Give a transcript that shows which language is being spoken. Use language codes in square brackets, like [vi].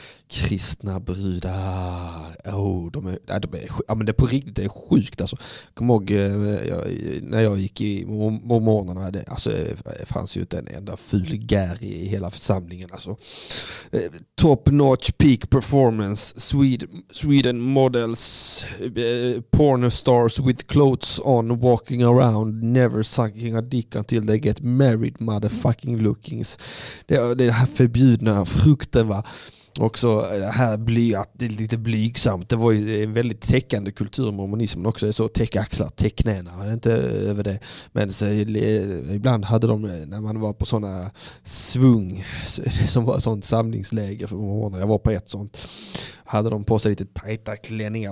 [sv] Kristna brudar. De är på riktigt, det är sjukt. Alltså. Kom ihåg när jag gick i mormonerna, alltså, det fanns ju inte en enda fulgär i hela församlingen. Alltså. [en] Top notch peak performance. Sweden models. Porn stars with clothes on walking around. Never sucking a dick until they get married. Motherfucking lookings. [sv] Det här förbjudna frukten, va? Också det här blyat, det är lite blygsamt. Det var ju en väldigt täckande kultur, mormonismen också. Det är så täck axlar, täck knäna, inte över det. Men så, ibland hade de, när man var på sådana svung, som var sånt samlingsläger för mormoner, jag var på ett sånt, hade de på sig lite tajta klänningar.